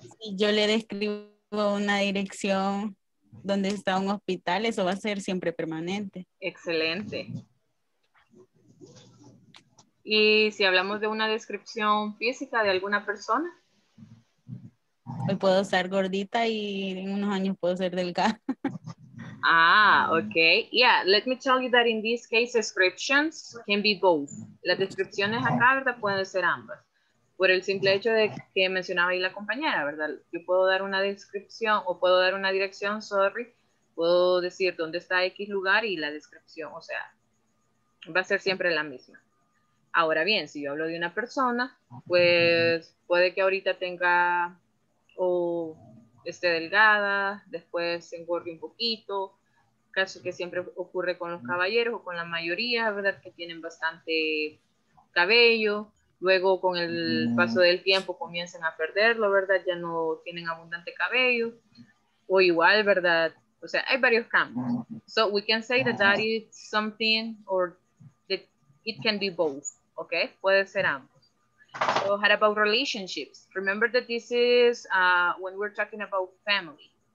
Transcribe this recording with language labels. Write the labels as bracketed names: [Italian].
[Spanish] Si yo le describo una dirección. Donde está un hospital, eso va a ser siempre permanente. Excelente. ¿Y si hablamos de una descripción física de alguna persona? Hoy puedo ser gordita y en unos años puedo ser delgada. Ah, okay. [English] Yeah, let me tell you that in this case, descriptions can be both. [Spanish] Las descripciones acá, ¿verdad? Pueden ser ambas. Por el simple hecho de que mencionaba ahí la compañera, ¿verdad? Yo puedo dar una descripción o puedo dar una dirección, sorry. Puedo decir dónde está X lugar y la descripción, o sea, va a ser siempre la misma. Ahora bien, si yo hablo de una persona, pues puede que ahorita tenga o esté delgada, después se engorde un poquito. Caso que siempre ocurre con los caballeros o con la mayoría, ¿verdad? Que tienen bastante cabello. luego con el paso del tiempo comienzan a perderlo, ¿verdad? Ya no tienen abundante cabello, o igual, ¿verdad? O sea, hay varios cambios. [English] So we can say that is something, or that it can be both, okay? [Spanish] Puede ser ambos. [English] So how about relationships? Remember that this is when we're talking about family.